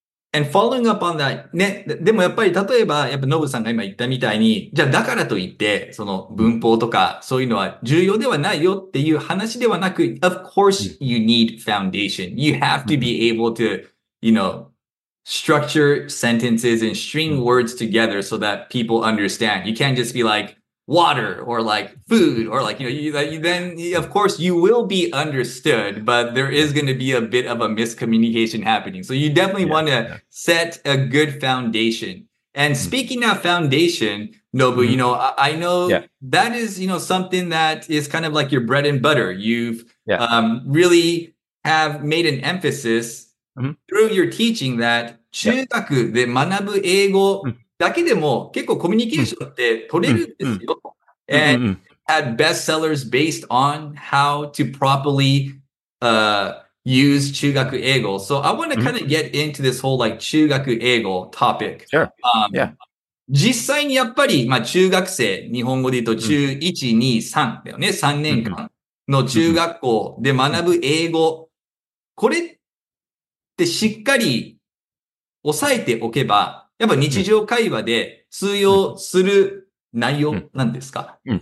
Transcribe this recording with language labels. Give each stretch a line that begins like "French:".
English: And following up on that,
Japanese: ね、でもやっぱり例えば、やっぱノブさんが今言ったみたいに、じゃあだからといって、その文法とかそういうのは重要ではないよっていう話ではなく、
English: Of course you need foundation. You have to be able to, you know, structure sentences and string words together so that people understand. You can't just be like water or like food or like, you know, then of course you will be understood, but there is going to be a bit of a miscommunication happening. So you definitely want to set a good foundation. And speaking of foundation, Nobu, you know, I know that is, you know, something that is kind of like your bread and butter. You've really have made an emphasis through your teaching that
Japanese: 中学で学ぶ英語だけでも結構コミュニケーションって取れるんですよ。
English: And had bestsellers based on how to properly use 中学英語. So I want to kind of get into this whole like 中学英語 topic. Sure.
Japanese: 実際にやっぱり、まあ、中学生、日本語で言うと中1、2、3だよね。 3年間の中学校で学ぶ英語。これってしっかり押さえておけば、やっぱ日常会話で通用する内容なんですか？